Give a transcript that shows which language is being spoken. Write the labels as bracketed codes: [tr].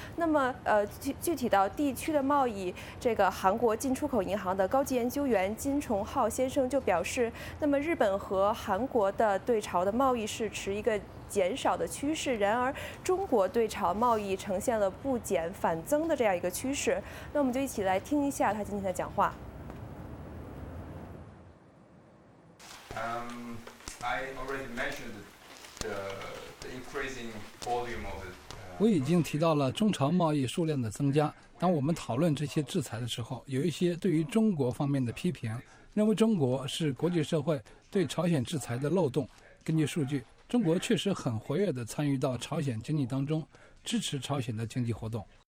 [zh] 那么具体到地区的贸易，这个韩国进出口银行的高级研究员金崇浩先生就表示，那么日本和韩国的对朝的贸易是持一个减少的趋势，然而中国对朝贸易呈现了不减反增的这样一个趋势。那我们就一起来听一下他今天的讲话。 [en] I already mentioned the increasing volume of it. [zh] 我已经提到了中朝贸易数量的增加。当我们讨论这些制裁的时候，有一些对于中国方面的批评，认为中国是国际社会对朝鲜制裁的漏洞。根据数据，中国确实很活跃地参与到朝鲜经济当中，支持朝鲜的经济活动。